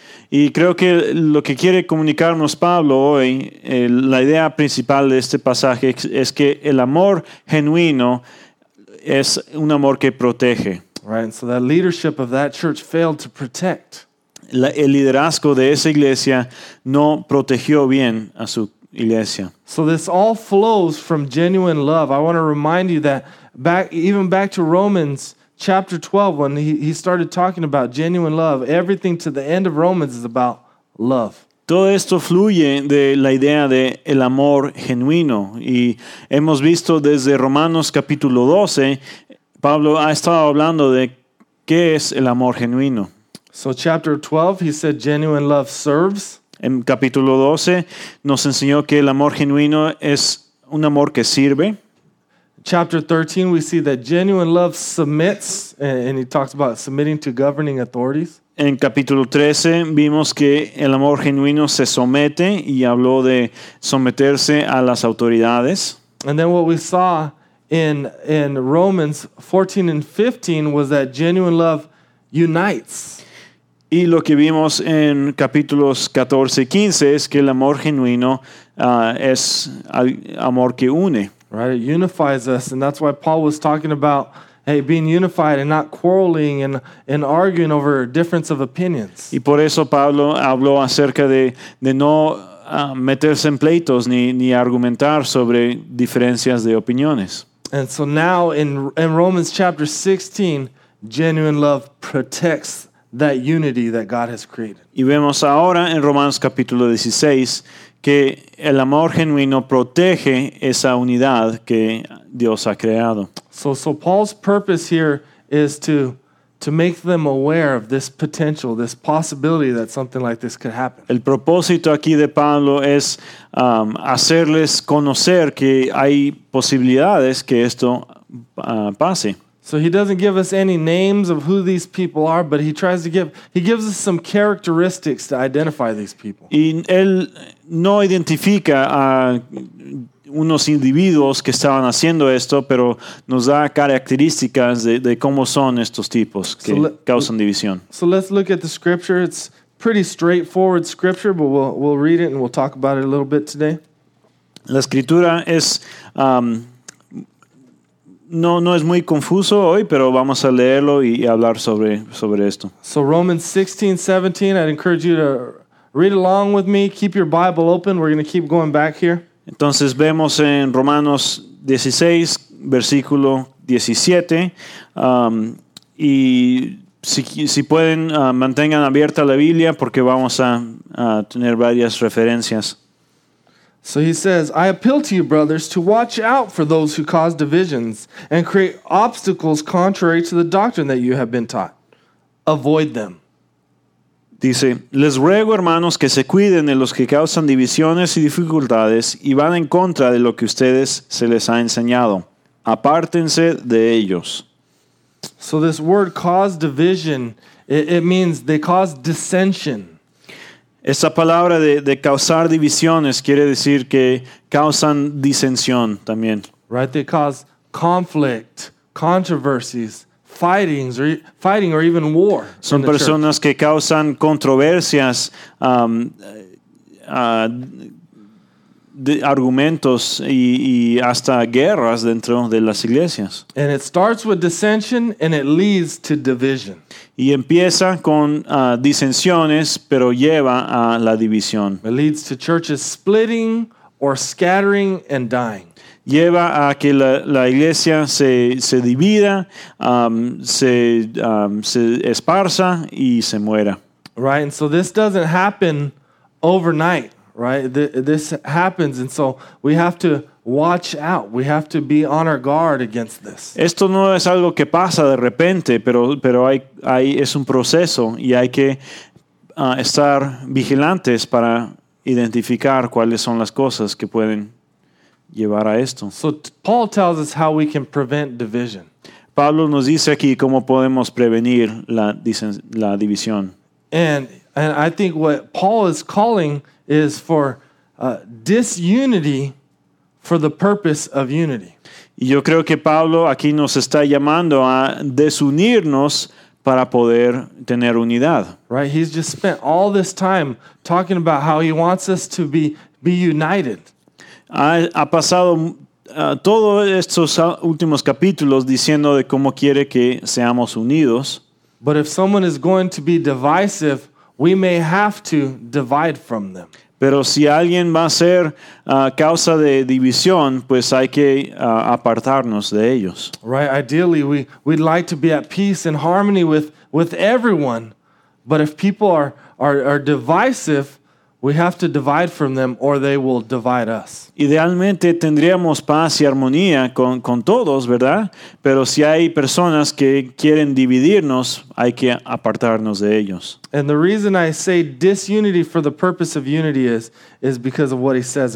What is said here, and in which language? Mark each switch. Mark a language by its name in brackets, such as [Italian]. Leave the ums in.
[Spanish] Y creo que lo que quiere comunicarnos Pablo hoy, eh, la idea principal de este pasaje es, que el amor genuino es un amor que protege. [English] Right, and so that leadership of that church failed to protect. [Spanish] La, el liderazgo de esa iglesia no protegió bien a su iglesia. [English] So this all flows from genuine love. I want to remind you that back, even back to Romans. Chapter 12, when he, he started talking about genuine love, everything to the end of Romans is about love. [Spanish] Todo esto fluye de la idea de el amor genuino. Y hemos visto desde Romanos capítulo 12, Pablo ha estado hablando de qué es el amor genuino. [English] So chapter 12, he said genuine love serves. [Spanish] In capítulo doce, nos enseñó que el amor genuino es un amor que sirve. [English] Chapter 13 we see that genuine love submits and he talks about submitting to governing authorities. [Spanish] En capítulo trece, vimos que el amor genuino se somete y habló de someterse a las autoridades. [English] And then what we saw in in Romans 14 and 15 was that genuine love unites. Right, it unifies us, and that's why Paul was talking about hey, being unified and not quarreling and, and arguing over difference of opinions. [Spanish] Y por eso Pablo habló acerca de, de no uh, meterse en pleitos ni, ni argumentar sobre diferencias de opiniones. [English] And so now in, in Romans chapter 16, genuine love protects that unity that God has created. [Spanish] Y vemos ahora en Romanos capítulo 16 que el amor genuino protege esa unidad que Dios ha creado. [English] So, so Paul's purpose here is to to make them aware of this potential, this possibility that something like this could happen. [Spanish] El propósito aquí de Pablo es um, hacerles conocer que hay posibilidades que esto uh, pase. [English] So he doesn't give us any names of who these people are, but he tries to give he gives us some characteristics to identify these people. [Spanish] Y no identifica a unos individuos que estaban haciendo esto, pero nos da características de, de cómo son estos tipos que so le- causan división. [English] So let's look at the scripture. It's pretty straightforward scripture, but we'll we'll read it and we'll talk about it a little bit today. [Spanish] La escritura es um, No, no, es muy confuso hoy, pero vamos a leerlo y, hablar sobre, sobre esto. Entonces vemos en Romanos 16, versículo 17. Um, y si, si pueden, uh, mantengan abierta la Biblia porque vamos a, a tener varias referencias. [English] So he says, I appeal to you, brothers, to watch out for those who cause divisions and create obstacles contrary to the doctrine that you have been taught. Avoid them. [Spanish] Dice, les ruego, hermanos, que se cuiden de los que causan divisiones y dificultades y van en contra de lo que ustedes se les ha enseñado. Apártense de ellos. [English] So this word cause division, it, it means they cause dissension. [Spanish] Esta palabra de, de causar divisiones quiere decir que causan disensión también. [English] Right, they cause conflict, controversies, fightings, or, fighting or even war. [Spanish] Son personas church. que causan controversias. Um, uh, de argumentos y, y, hasta guerras dentro de las iglesias. [English] And it with and it leads to [Spanish] y empieza con uh, disensiones, pero lleva a la división. [English] It leads to churches splitting or scattering and dying. [Spanish] Lleva a que la, la iglesia se, se divida, um, se, esparsa um, se esparza y se muera. [English] Right, and so this doesn't happen overnight. right? this happens, and so we have to watch out. We have to be on our guard against this. [Spanish] Esto no es algo que pasa de repente, pero pero hay hay es un proceso y hay que uh, estar vigilantes para identificar cuáles son las cosas que pueden llevar a esto. [English] So Paul tells us how we can prevent division. [Spanish] Pablo nos dice aquí cómo podemos prevenir la, dicen, la división. [English] And, and I think what Paul is calling is for uh, disunity for the purpose of unity. [Spanish] Yo creo que Pablo aquí nos está llamando a desunirnos para poder tener unidad. [English] Right, he's just spent all this time talking about how he wants us to be be united. [Spanish] Ha, ha pasado uh, todos estos últimos capítulos diciendo de cómo quiere que seamos unidos. [English] But if someone is going to be divisive we may have to divide from them. [Spanish] Pero si alguien va a ser uh, causa de división, pues hay que uh, apartarnos de ellos. [English] Right, ideally we would like to be at peace and harmony with, with everyone, but if people are, are, are divisive, We have to divide from them or they will divide us. [Spanish] Idealmente tendríamos paz y armonía con, con todos, ¿verdad? Pero si hay personas que quieren dividirnos, hay que apartarnos de ellos. [English] And the reason I say disunity for the purpose of unity is is because of what he says